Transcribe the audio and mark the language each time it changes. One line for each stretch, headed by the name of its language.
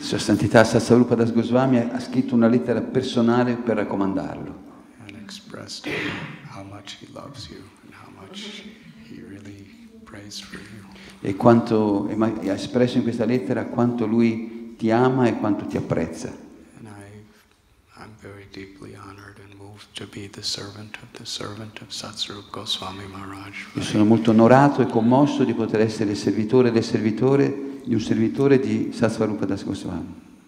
Italian: Sua Santità Satsarupa Das Goswami ha scritto una lettera personale per raccomandarlo.
English: And expressed how much he loves you and how much he really prays for you.
Italian: E quanto ha espresso in questa lettera quanto lui ti ama e quanto ti apprezza.
English: And I'm very deeply honored and moved to be the servant of Satsarupa Goswami Maharaj.
Italian: Io sono molto onorato e commosso di poter essere il servitore del servitore di un servitore di Satsarupa Das Goswami.